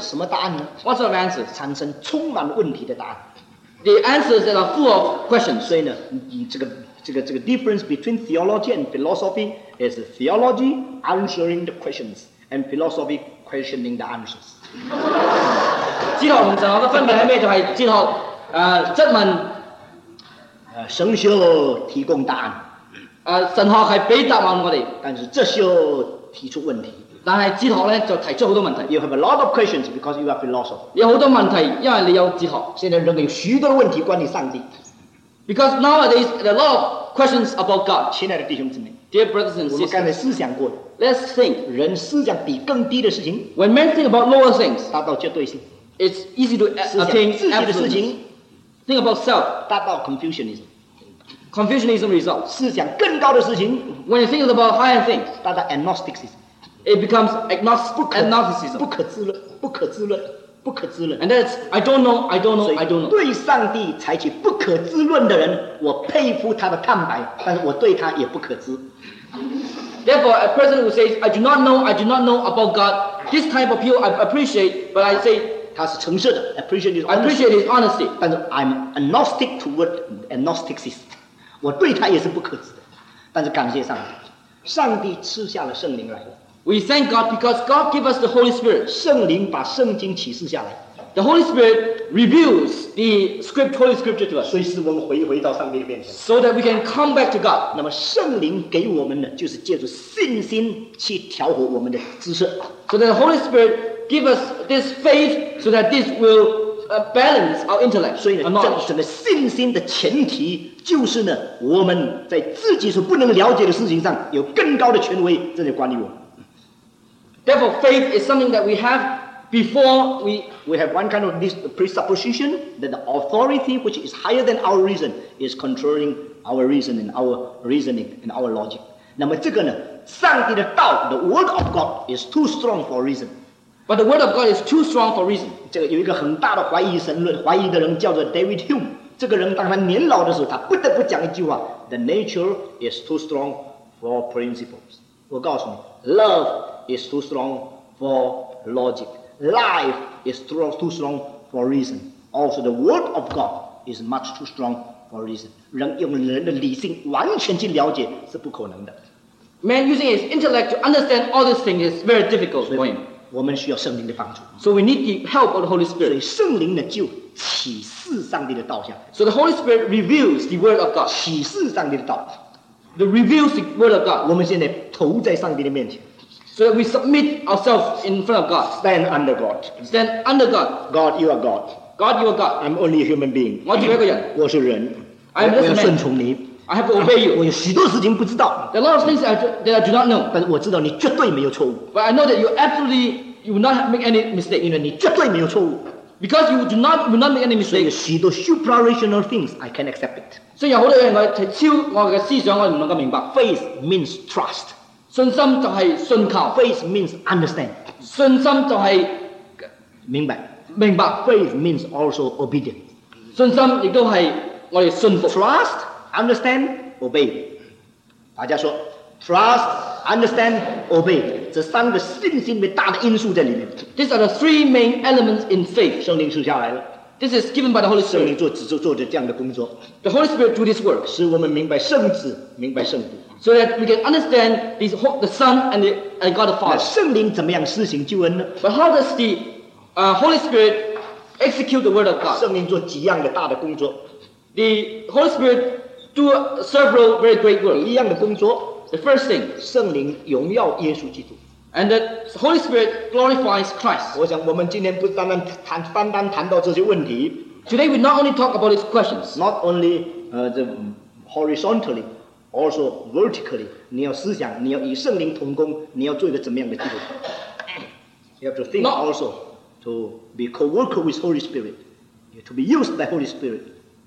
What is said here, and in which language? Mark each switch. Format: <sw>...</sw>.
<zh>什么答案呢？</zh> <en>What sort of answers?</en> <zh>产生充满问题的答案。</zh> <en>The answers that are full of questions.</en> <zh>所以呢，这个</zh> <en>difference between theology and philosophy is theology answering the questions and philosophy questioning the answers.</en> <zh>哲学同神学的分别是什么？就是哲学，质问。神学提供答案。神学是给答案我们。但是哲学提出问题。但是哲学呢，就提出很多问题。</zh> <en>You have a lot of questions because you are philosopher.</en> <zh>有很多问题，因为你有哲学。现在人们有许多问题关于上帝。</zh> <en>Because nowadays there are a lot of questions about God.</en> <zh>亲爱的弟兄姊妹。</zh> <en>Dear brothers and sisters.</en> <zh>我们刚才思想过。</zh> <en>Let's think.</en> <zh>人思想比更低的事情。</zh> <en>When men think about lower things.</en> <zh>达到绝对性。</zh> <en>It's easy to attain absolute. Think about self.</en> <zh>达到 confucianism.</zh> <en>Confucianism results.</en> <zh>思想更高的事情。</zh> <en>When you think about higher things.</en> <zh>达到 agnosticism.</zh> <en>It becomes agnosticism.</en> <zh>不可知论。不可知论。不可知论。</zh> <en>And that's, I don't know.</en> <zh>对上帝采取不可知论的人，我佩服他的坦白，但是我对他也不可知。</zh> <en>Therefore, a person who says, I do not know about God, this type of people I appreciate, but I say,</en> <zh>他是诚实的,</zh> <en>appreciate his honesty, I appreciate his honesty.</en> <zh>但是</zh> <en>I'm agnostic toward agnosticism.</en> <zh>我对他也是不可知的。但是感谢上帝。上帝赐下了圣灵来。</zh> <en>We thank God because God gave us the Holy Spirit.</en> <zh>圣灵把圣经启示下来。</zh> <en>The Holy Spirit reveals the script, Holy Scripture to us.</en> <zh>所以使我们回到上帝面前。</zh> <en>So that we can come back to God.</en> <zh>那么圣灵给我们的就是借助信心去调和我们的知识。</zh> <en>So that the Holy Spirit give us this faith so that this will balance our intellect.</en> <zh>所以呢，整个信心的前提就是呢，我们在自己所不能了解的事情上有更高的权威正在管理我们。</zh> <en>Therefore, faith is something that we have before we... We have one kind of presupposition that the authority which is higher than our reason is controlling our reason and our reasoning and our logic.</en> <zh>那么这个呢, 上帝的道,</zh> <en>the word of God is too strong for reason. But the word of God is too strong for reason.</en> <zh>这个有一个很大的怀疑神论, 怀疑的人叫做 David Hume. 这个人当他年老的时候, 他不得不讲一句话,</zh> <en>the nature is too strong for principles.</en> <zh>我告诉你,</zh> <en>love is too strong for logic. Life is too strong for reason. Also, the word of God is much too strong for reason.</en> <zh>人用人的理性完全去了解是不可能的。</zh> <en>Man using his intellect to understand all these things is very difficult for him.</en> <zh>我们需要圣灵的帮助。</zh> <en>So we need the help of the Holy Spirit.</en> <zh>所以圣灵呢就启示上帝的道向。</zh> <en>So the Holy Spirit reveals the word of God.</en> <zh>启示上帝的道。</zh> <en>The reveals the word of God.</en> <zh>我们现在投在上帝的面前。</zh> <en>So that we submit ourselves in front of God. Stand under God. Stand under God. God, you are God. God, you are God. I'm only a human being.</en> <zh>我只是一个人。我是人。</zh> <en>I am just a man.</en> <zh>我要顺从你。</zh> <en>I have to obey you.</en> <zh>我有许多事情不知道。</zh> <en>There are a lot of things that I do not know.</en> <zh>但是我知道你绝对没有错误。</zh> <en>But I know that you absolutely, you will not make any mistake.</en> <zh>因为你绝对没有错误。</zh> <en>Because you do not, will not make any mistake.</en> <zh>所以有许多</zh> <en>supra-rational things, I can accept it.</en> <zh>所以有很多人说,我的思想我能够明白。</zh> <en>Faith means trust.</en> <zh>信心就是信靠。</zh> <en>Faith means understand.</en> <zh>信心就是明白。</zh> <en>Faith means also obedience.</en> <zh>信心也都是我们信服。</zh> <en>Trust, understand, obey.</en> <zh>大家说,</zh> <en>trust, understand, obey.</en> <zh>这三个信心的大的因素在里面。</zh> <en>These are the three main elements in faith.</en> <zh>圣灵赐下来了。</zh> <en>This is given by the Holy Spirit.</en> <zh>圣灵做着这样的工作。</zh> <en>The Holy Spirit do this work.</en> <zh>使我们明白圣子, 明白圣父。</zh> <en>So that we can understand the Son and God the Father.</en> <zh>那圣灵怎么样施行救恩呢?</zh> <en>But how does the Holy Spirit execute the word of God?</en> <zh>圣灵做几样的大的工作?</zh> <en>The Holy Spirit do several very great work.</en> <zh>一样的工作,</zh> <en>the first thing,</en> <zh>圣灵荣耀耶稣基督。</zh> <en>And the Holy Spirit glorifies Christ.</en> <zh>我想我们今天不单单谈到这些问题,</zh> <en>today we not only talk about these questions. Not only the horizontally, also vertically,</en> <zh>你要思想, 你要与圣灵同工, 你要做一个怎么样的基督徒。</zh> <en>You have to think also to be co-worker with Holy Spirit, to be used by Holy Spirit.</en>